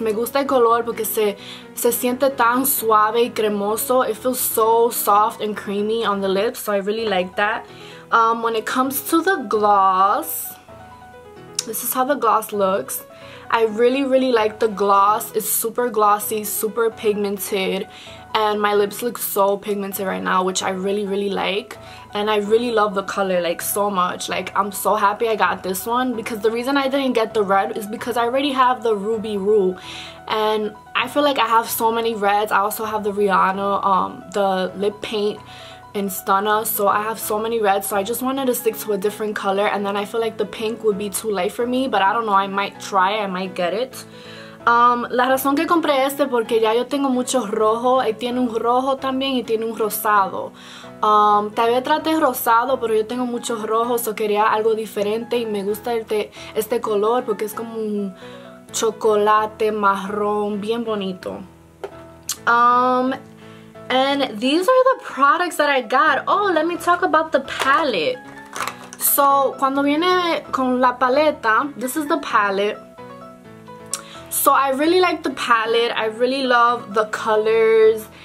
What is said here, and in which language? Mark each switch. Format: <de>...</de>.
<es>Me gusta el color porque se siente tan suave y cremoso.</es> <en>It feels so soft and creamy on the lips, so I really like that. When it comes to the gloss, this is how the gloss looks. I really really like the gloss. It's super glossy, super pigmented, and my lips look so pigmented right now, which I really really like. And I really love the color, like, so much. Like, I'm so happy I got this one, because the reason I didn't get the red is because I already have the Ruby Rue, and I feel like I have so many reds. I also have the Rihanna the lip paint in Stunna, so I have so many reds, so I just wanted to stick to a different color. And then I feel like the pink would be too light for me, but I don't know, I might try, I might get it.</en> <es>La razón que compré este porque ya yo tengo mucho rojo, y tiene un rojo también y tiene un rosado. Tal vez trate rosado, pero yo tengo mucho rojo, so quería algo diferente, y me gusta este color porque es como un chocolate marrón bien bonito.</es> <en>And these are the products that I got. Oh, let me talk about the palette. So,</en> <es>cuando viene con la paleta,</es> <en>this is the palette. So, I really like the palette. I really love the colors.</en>